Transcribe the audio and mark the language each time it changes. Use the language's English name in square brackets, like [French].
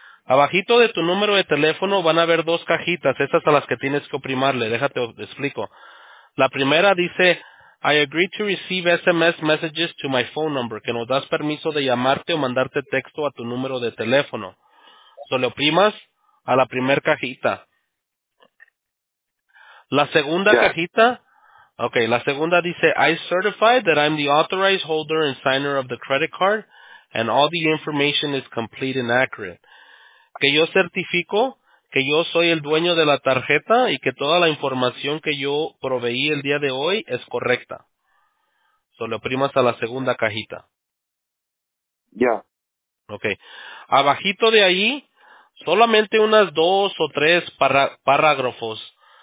[Spanish] Abajito de tu número de teléfono van a haber dos cajitas, esas a las que tienes que oprimarle. Déjate, te explico. La primera dice, [English] I agree to receive SMS messages to my phone number, [Spanish] que nos das permiso de llamarte o mandarte texto a tu número de teléfono. Solo oprimas a la primer cajita. La segunda Ya. cajita, ok, la segunda dice, [English] I certify that I'm the authorized holder and signer of the credit card and all the information is complete and accurate. [Spanish] Que yo certifico que yo soy el dueño de la tarjeta y que toda la información que yo proveí el día de hoy es correcta. Solo oprimas a la segunda cajita. Ya. [English] Okay. [Spanish] Abajito de ahí, solamente unas dos o tres párrafos.